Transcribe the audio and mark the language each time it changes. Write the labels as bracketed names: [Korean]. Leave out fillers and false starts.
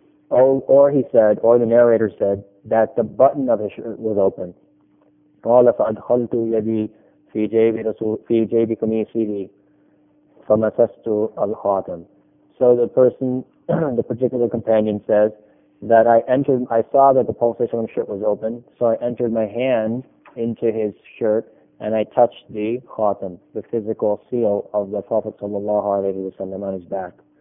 [English] Or he said, or the narrator said, that the button of his shirt was open. [Arabic] قال فأدخلت يدي في جيب رسول في جيب قميصه فمسست الخاتم. [English] So the person, the particular companion says that I saw that the pulsation of the shirt was open, so I entered my hand into his shirt and I touched the khatam, the physical seal of the Prophet sallallahu alaihi wasallam on his back.